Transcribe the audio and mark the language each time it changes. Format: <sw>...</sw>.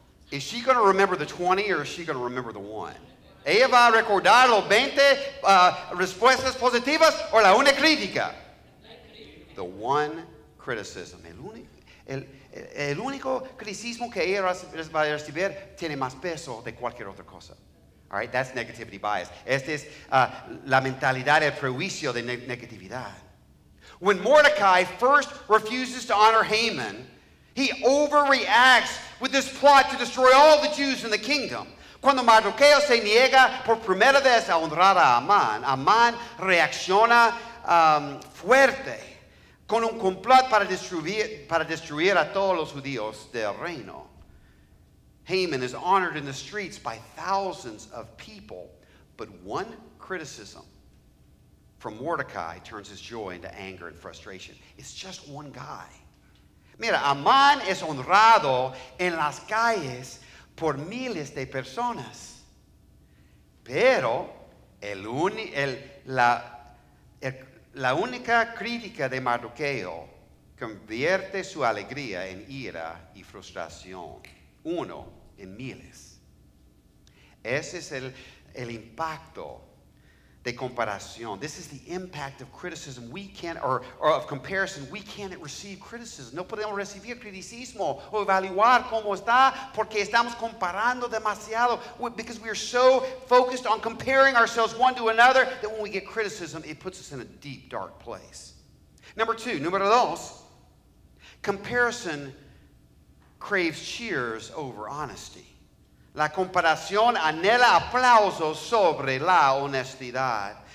<en>Is she going to remember the 20 or is she going to remember the one?</en> <es>¿Ella va a recordar los 20 respuestas positivas o la una crítica?</es> <en>The one criticism.</en> <es>El único criticismo que ella va a recibir tiene más peso de cualquier otra cosa.</es> <en>All right, that's negativity bias.</en> <es>Esta es la mentalidad, el prejuicio de negatividad.</es> <en>When Mordecai first refuses to honor Haman, he overreacts with this plot to destroy all the Jews in the kingdom.</en> <es>Cuando Mardoqueo se niega por primera vez a honrar a Amán, Amán reacciona fuerte con un complot para destruir a todos los judíos del reino.</es> <en>Haman is honored in the streets by thousands of people, but one criticism from Mordecai turns his joy into anger and frustration. It's just one guy.</en> <es>Mira, Amán es honrado en las calles por miles de personas, pero la única crítica de Mardoqueo convierte su alegría en ira y frustración, uno en miles. Ese es el impacto de comparación.</es> <en>This is the impact of criticism. Of comparison. We can't receive criticism.</en> <es>No podemos recibir criticismo o evaluar cómo está porque estamos comparando demasiado.</es> <en>Because we are so focused on comparing ourselves one to another that when we get criticism, it puts us in a deep, dark place.</en> <es>Número dos.</es> <en>Comparison craves cheers over honesty.</en> <es>La comparación anhela aplausos sobre la honestidad.</es>